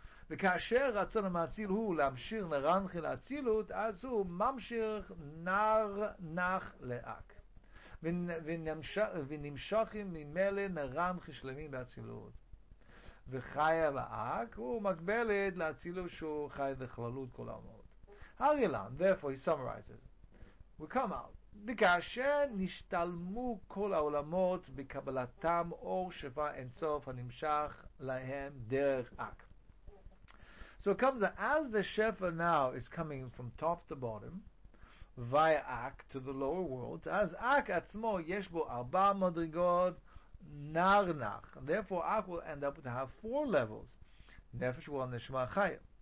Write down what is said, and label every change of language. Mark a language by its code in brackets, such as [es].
[he] וכאשר רצון המציל הוא להמשיך נרנחי להצילות, אז הוא ממשיך נרנח לאק. ונמשך ממילא נרנחי שלמים בהצילות. וחיה לאק, הוא מקבלת להצילות שהוא חי בכללות כל העולמות. [en] הרילן, therefore he summarizes. We come out. [he] וכאשר נשתלמו כל העולמות בקבלתם אור שפע אינסוף הנמשך להם דרך אק. [en] So it comes that as the שפע now is coming from top to bottom via אק to the lower world, [he] אז אק עצמו יש בו ארבע מדרגות נרנח. [en] Therefore אק will end up to have four levels, [he] נפש הוא הנשמה החיה.